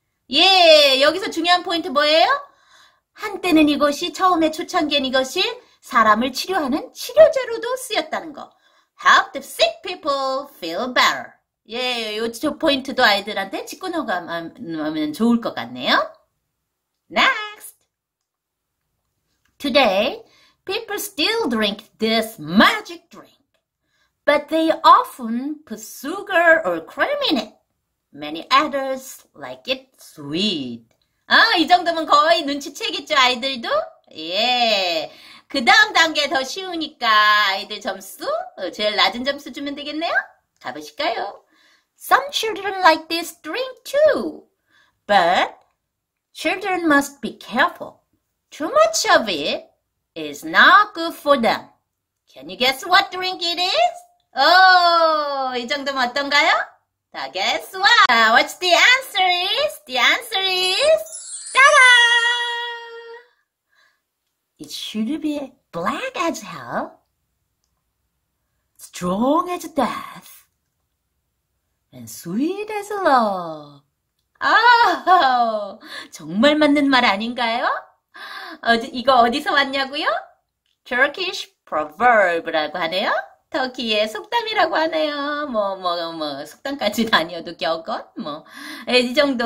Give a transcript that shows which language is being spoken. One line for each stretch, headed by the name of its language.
Korean: 예, 여기서 중요한 포인트 뭐예요? 한때는 이것이 처음에 초창기엔 이것이 사람을 치료하는 치료제로도 쓰였다는 거.
English: Helped sick people feel better.
Korean: 예, 요 포인트도 아이들한테 짚고 넘어가면 좋을 것 같네요.
English: Next. Today, people still drink this magic drink, but they often put sugar or cream in it. Many others like it sweet.
Korean: 아, 이 정도면 거의 눈치채겠죠, 아이들도? 예. 그 다음 단계 더 쉬우니까 아이들 점수, 제일 낮은 점수 주면 되겠네요? 가보실까요?
English: Some children like this drink too, but children must be careful. Too much of it is not good for them. Can you guess what drink it is?
Korean: 오, 이 정도면 어떤가요?
English: 자, guess what? What's the answer is? The answer is, 따라! It should be black as hell, strong as death, and sweet as love.
Korean: 오, 정말 맞는 말 아닌가요? 이거 어디서 왔냐고요? Turkish proverb라고 하네요. 터키의 속담이라고 하네요. 속담까지는 아니어도 격언 뭐. 이 정도.